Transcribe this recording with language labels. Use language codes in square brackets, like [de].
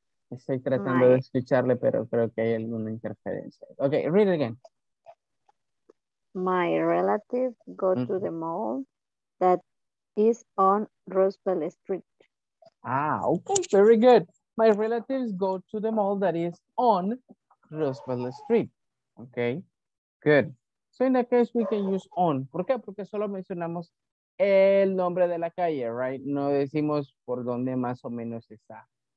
[es] Estoy tratando de escucharle, pero creo que hay alguna interferencia. [en] Okay, read it again. My relatives go to the mall that is on Roosevelt Street. Ah, okay, very good. My relatives go to the mall that is on Roosevelt Street. Okay, good. So in that case, we can use on. [es] ¿Por qué? Porque solo mencionamos el nombre de la calle, right? No decimos por dónde más o menos está.